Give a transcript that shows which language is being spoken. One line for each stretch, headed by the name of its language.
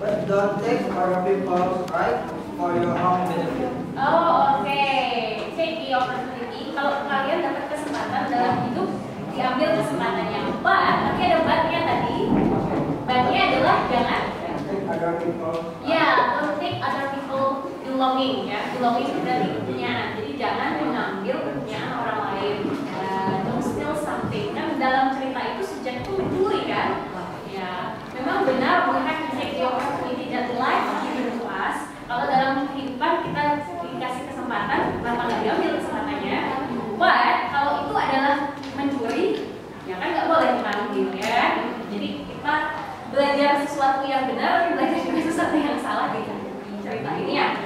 English: Don't take other people's right for your own benefit. Oh, okay. opportunity.
Indonesian: Kalau kalian dapat kesempatan dalam hidup, diambil kesempatannya. But, tapi ada but-nya tadi. But-nya adalah jangan.
English: Don't take other people belonging, ya.
Indonesian: Belonging dari punya. Jadi jangan mengambil punya orang lain.
English: Don't steal something.
Indonesian: Kan dalam cerita itu sejak kuduri, kan? Ya. Memang benar,
English: we have to take the opportunity that life given to us.
Indonesian: Kalau dalam kehidupan kita dikasih kesempatan, kenapa nggak diambil kesempatannya? But, kalau itu adalah mencuri, ya kan nggak boleh dipanggil, ya. Jadi kita belajar sesuatu yang benar, tapi belajar juga sesuatu yang salah di cerita ini, ya.